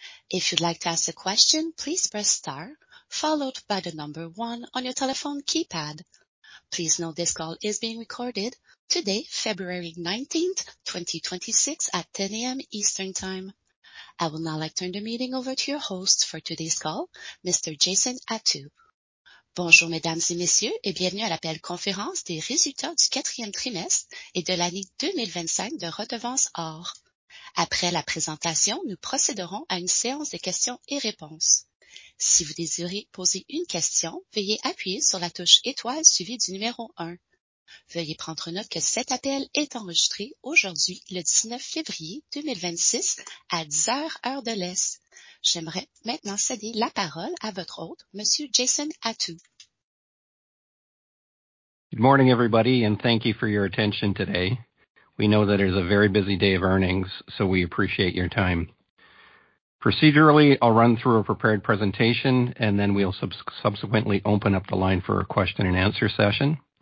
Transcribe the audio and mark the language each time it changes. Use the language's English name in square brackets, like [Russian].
[English] If you'd like to ask a question, please press star followed by the number one on your telephone keypad. Please note this call is being recorded today, February 19th, 2026, at 10:00 A.M. Eastern Time. I would now like to turn the meeting over to your host for today's call, Mr. Jason Attew. [French] Bonjour, mesdames et messieurs, et bienvenue à l'appel conférence des résultats du quatrième trimestre et de l'année 2025 de Redevance Or. Après la présentation, nous procéderons à une séance de questions et réponses. Si vous désirez poser une question, veuillez appuyer sur la touche étoile suivie du numéro un. Veuillez prendre note que cet appel est enregistré aujourd'hui, le 19 février 2026, à 10:00 heure de l'Est. J'aimerais maintenant céder la parole à votre hôte, Monsieur Jason Attew. [English] Good morning, everybody, and thank you for your attention today. We know that it is a very busy day of earnings, so we appreciate your time. Procedurally, I'll run through a prepared presentation, and then we'll subsequently open up the line for a question-and-answer session.